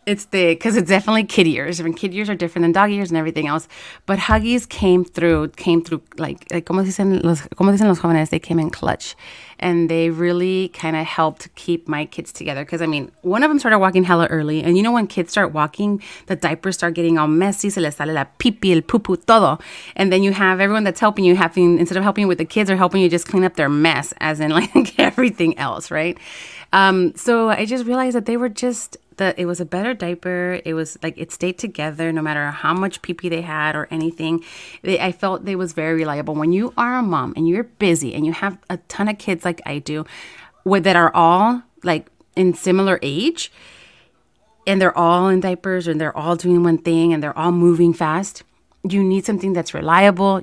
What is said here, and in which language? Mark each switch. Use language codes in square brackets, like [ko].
[en] because it's definitely kid years. I mean, kid years are different than dog years and everything else. But Huggies came through like [es] como dicen los jóvenes, [en] they came in clutch. And they really kind of helped keep my kids together. Because, I mean, one of them started walking hella early. And you know when kids start walking, the diapers start getting all messy. [es] Se les sale la pipi, el pupu, todo. [en] And then you have everyone that's helping you, instead of helping you with the kids, they're helping you just clean up their mess, as in, like, everything else, right? So I just realized that they were just... it was a better diaper. It was like it stayed together no matter how much pee pee they had or anything. I felt they was very reliable. When you are a mom and you're busy and you have a ton of kids like I do, that are all like in similar age, and they're all in diapers and they're all doing one thing and they're all moving fast, you need something that's reliable.